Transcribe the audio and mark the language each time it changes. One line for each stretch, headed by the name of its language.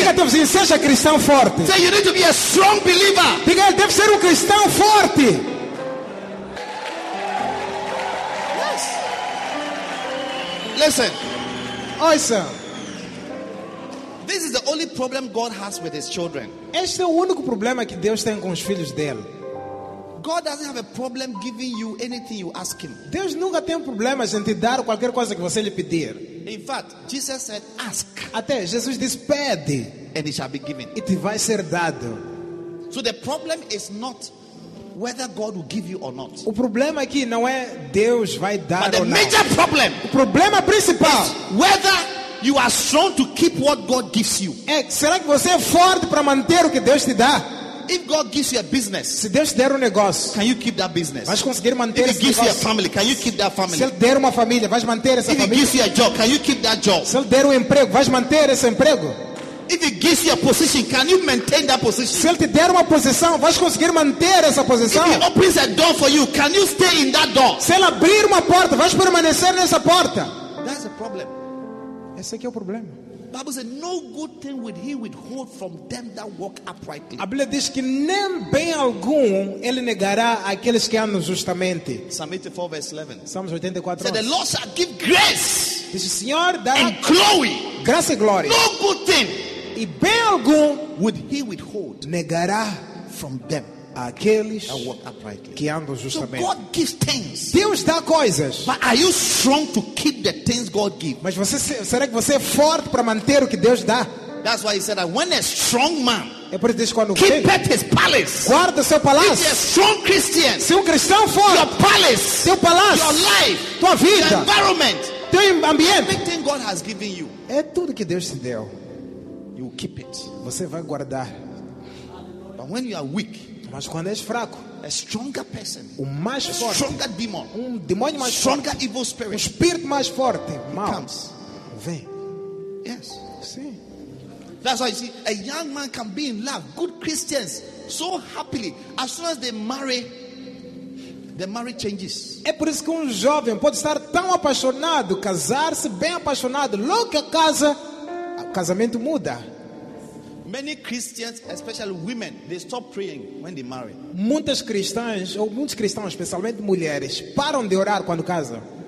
Portuguese: Diga a teu vizinho, seja cristão forte.
English: Say you need to be a strong believer.
Portuguese: Diga, ele deve ser cristão forte.
English: Yes. Listen. Awesome. This is the only problem God has with his children.
Portuguese: Este é o único problema que Deus tem com os filhos dele.
English: God doesn't have a problem giving you anything you ask him.
Portuguese: Deus nunca tem problemas em te dar qualquer coisa que você lhe pedir.
English: In fact, Jesus said, ask.
Portuguese: Até Jesus disse, pede.
English: And it shall be given.
Portuguese: E te vai ser dado.
English: So the problem is not whether God will give you or not.
Portuguese: O problema aqui não é Deus vai dar
English: but
Portuguese: ou não.
English: But the major problem.
Portuguese: O problema principal.
English: Is whether you are strong to keep what God gives you.
Portuguese: É, será que você é forte para manter o que Deus te dá?
English: If God gives you a business,
Portuguese: se Deus der negócio,
English: can you keep that business?
Portuguese: Vais conseguir manter
English: if He gives you a family, can you keep that family?
Portuguese: Se Ele der família, vais manter essa
English: if
Portuguese: família?
English: If He gives you a job, can you keep that job?
Portuguese: Se Ele der emprego, vais manter esse emprego?
English: If He gives you a position, can you maintain that position?
Portuguese: Se Ele te der posição, vais conseguir manter essa posição?
English: If He opens a door for you, can you stay in that door?
Portuguese: Se Ele abrir porta, vais permanecer nessa porta?
English: That's a problem.
Portuguese: Esse aqui é o problema.
English: Bible says, no good thing would he withhold from them that walk uprightly.
Portuguese: A Bíblia diz que nem bem algum ele negará aqueles que andam justamente.
English: Psalm 84 verse 11.
Portuguese: Salmos 84.
English: Said the Lord shall give grace.
Portuguese: Diz o Senhor dará
English: and glory.
Portuguese: Graça e glória.
English: No good thing.
Portuguese: E bem algum
English: would he withhold
Portuguese: negará
English: from them
Portuguese: aqueles
English: that walk uprightly.
Portuguese: Que andam justamente.
English: So God gives things.
Portuguese: Deus dá coisas.
English: But are you strong to keep the things God gives?
Portuguese: Mas você será que você é forte para manter o que Deus dá?
English: That's why he said that when a strong man
Portuguese: é por isso quando
English: keep at his palace.
Portuguese: Guarda seu palácio.
English: If you're a strong Christian,
Portuguese: se cristão forte.
English: Your palace.
Portuguese: Seu palácio.
English: Your life.
Portuguese: Tua vida.
English: Your environment.
Portuguese: Teu ambiente.
English: Everything God has given you.
Portuguese: É tudo que Deus te deu.
English: You will keep it.
Portuguese: Você vai guardar.
English: But when you are weak,
Portuguese: mas quando és fraco,
English: a stronger person,
Portuguese: o mais
English: a
Portuguese: forte,
English: stronger demon,
Portuguese: um demônio mais
English: stronger
Portuguese: forte,
English: evil spirit,
Portuguese: um espírito mais forte, mal,
English: comes.
Portuguese: Vem.
English: Yes.
Portuguese: Sim.
English: That's why you see a young man can be in love, good Christians, so happily as soon as they marry, the marriage changes.
Portuguese: É por isso que jovem pode estar tão apaixonado, casar-se bem apaixonado, logo que a casa, o casamento muda.
English: Many Christians, especially women, they stop praying when they marry.
Portuguese: Muitas cristãs, ou muitos cristãos, especialmente mulheres, param de orar quando casam.